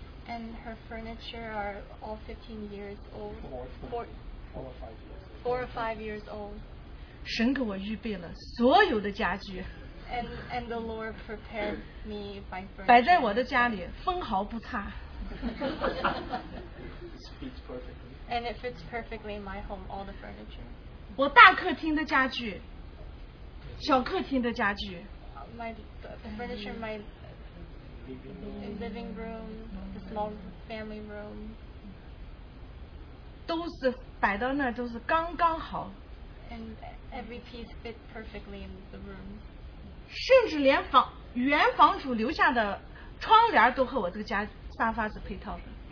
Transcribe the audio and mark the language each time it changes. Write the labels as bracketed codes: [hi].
[en] And her furniture are all 15 years old. Four or five years old. [zh] 神给我预备了所有的家具。 [en] And the Lord prepared me my furniture. [zh] 摆在我的家里分毫不差。 [en] Speaks perfectly. And it fits perfectly in my home, all the furniture. [zh] 我大客厅的家具，小客厅的家具。 [en] The furniture, my living room, the small family room. [zh] 都是摆到那儿都是刚刚好。 [en] And every piece fit perfectly in the room. [zh] 甚至连原房主留下的窗帘都和我这个家沙发是配套的。